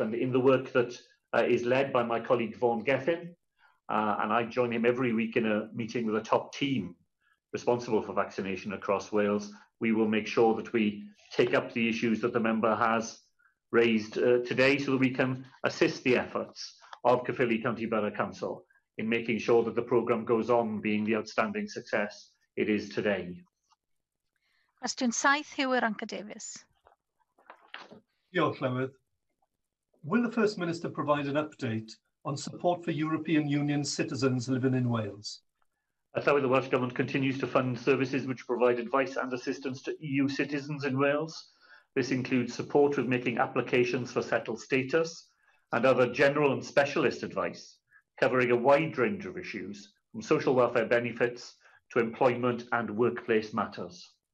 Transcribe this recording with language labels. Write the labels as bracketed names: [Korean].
[English] And in the work that is led by my colleague Vaughan Geffen, and I join him every week in a meeting with a top team responsible for vaccination across Wales, we will make sure that we take up the issues that the member has raised today so that we can assist the efforts of Caerphilly County Borough Council in making sure that the programme goes on being the outstanding success it is today. [Welsh] Cwestiwn saith, Hywyr Anca Davies. Diolch, Llywydd. [English] Will the First Minister provide an update on support for European Union citizens living in Wales? Llywydd, the Welsh Government continues to fund services which provide advice and assistance to EU citizens in Wales. This includes support with making applications for settled status and other general and specialist advice, covering a wide range of issues, from social welfare benefits to employment and workplace matters.